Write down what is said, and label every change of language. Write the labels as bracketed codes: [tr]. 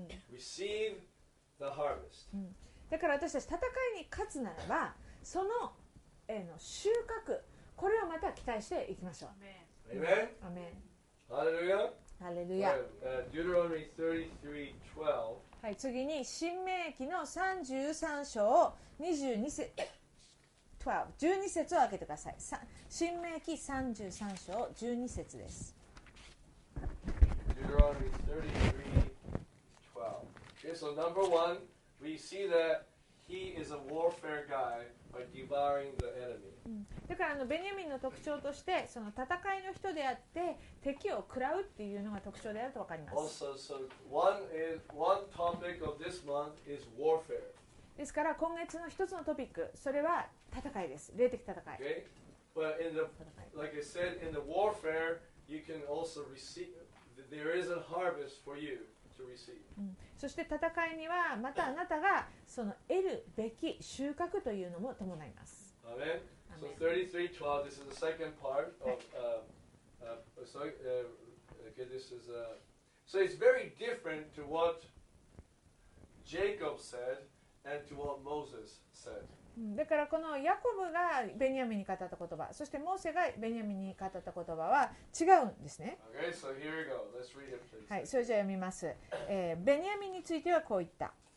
[en] Receive the harvest. [ja] だから私たち戦いに勝つならば、その、の収穫、これをまた期待していきましょう。アメン。アメン。ハレルヤ。ハレルヤ。 [en] Deuteronomy 33:12。 [ja] はい、次に申命記の33章を12節を開けてください。申命記33章12節です。 [en] Deuteronomy 33:12。 Okay, so number one, we see that he is a warfare guy. By devouring the enemy. [ja] だからベニヤミンの特徴としてその戦いの人であって敵を食らうっていうのが特徴であると分かります。 [en] Also, so one topic of this month is warfare. [ja] ですから今月の一つのトピック、それは戦いです。霊的戦い。 [en] Okay. But in the, like I said, in the warfare, you can also receive, there is a harvest for you. to receive. [ja] そして戦いにはまたあなたがその得るべき収穫というのも伴います。アメン。 [en] So 33:12, this is the second part of okay, this is so it's very different to what Jacob said and to what Moses said. [ja] だからこのヤコブがベニヤミンに語った言葉、そしてモーセがベニヤミンに語った言葉は違うんですね。 [en] Okay, so here we go. Let's read it, please. [ja] はい、それじゃあ読みます。ベニヤミンについてはこう言った。